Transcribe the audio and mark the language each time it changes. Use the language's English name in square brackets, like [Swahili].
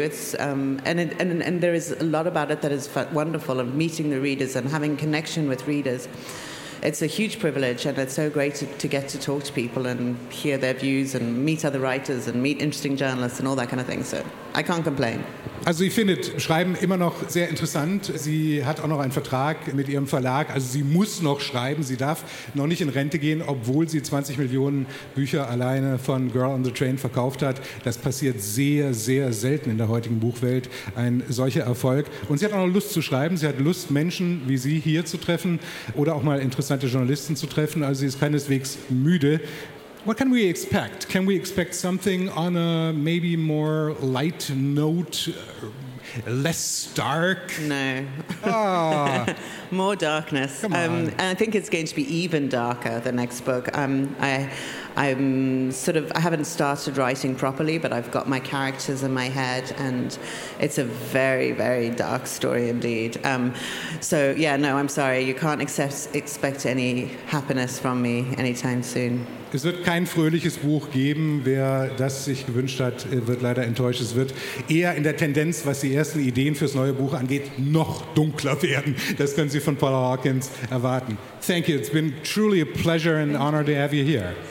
[English] It's and there is a lot about it that is wonderful, of meeting the readers and having connection with readers. It's a huge privilege, and it's so great to get to talk to people and hear their views and meet other writers and meet interesting journalists and all that kind of thing. So I can't complain. [German] Also sie findet Schreiben immer noch sehr interessant. Sie hat auch noch einen Vertrag mit ihrem Verlag. Also sie muss noch schreiben. Sie darf noch nicht in Rente gehen, obwohl sie 20 Millionen Bücher alleine von Girl on the Train verkauft hat. Das passiert sehr, sehr selten in der heutigen Buchwelt, ein solcher Erfolg. Und sie hat auch noch Lust zu schreiben. Sie hat Lust, Menschen wie Sie hier zu treffen oder auch mal interessante Journalisten zu treffen. Also sie ist keineswegs müde. [English] What can we expect? Can we expect something on a maybe more light note, less dark? No. Oh. More darkness. Come on. And I think it's going to be even darker, the next book. I haven't started writing properly, but I've got my characters in my head, and it's a very, very dark story indeed. I'm sorry. You can't expect any happiness from me anytime soon. [German] Es wird kein fröhliches Buch geben. Wer das sich gewünscht hat, wird leider enttäuscht. Es wird eher in der Tendenz, was die ersten Ideen fürs neue Buch angeht, noch dunkler werden. Das können Sie von Paula Hawkins erwarten. [English] Thank you. It's been truly a pleasure and honor to have you here.